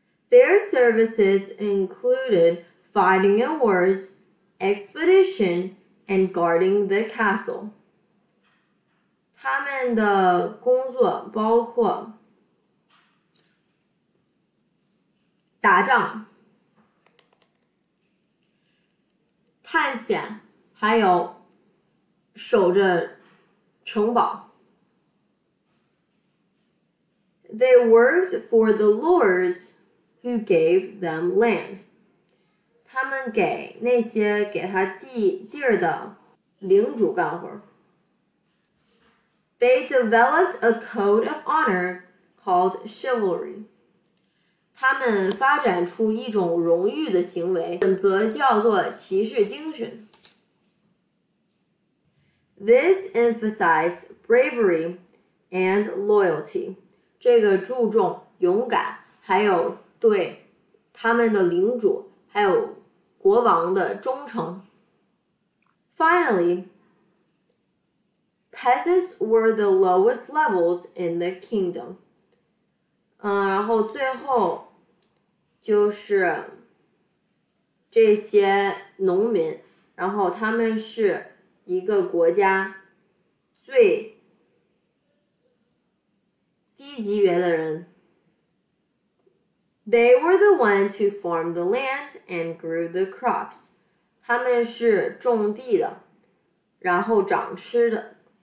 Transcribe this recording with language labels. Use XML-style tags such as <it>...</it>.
<en>Their services included fighting in wars, expedition, and guarding the castle.</en> <zh>他们的工作包括打仗、探险，还有守着城堡。</zh> <en>They worked for the lords who gave them land.</en> <zh>他们给那些给他地儿的领主干活。</zh> <en>They developed a code of honor called chivalry.</en> <zh>他们发展出一种荣誉的行为，则叫做骑士精神。</zh> <en>This emphasized bravery and loyalty.</en> <zh>这个注重勇敢，还有对他们的领主，还有国王的忠诚。</zh> <en>Finally, peasants were the lowest levels in the kingdom.</en> <zh>然后最后就是这些农民，然后他们是一个国家最低级别的人。</zh> <en>They were the ones who farmed the land and grew the crops.</en> <zh>他们是种地的，然后长吃的。</zh>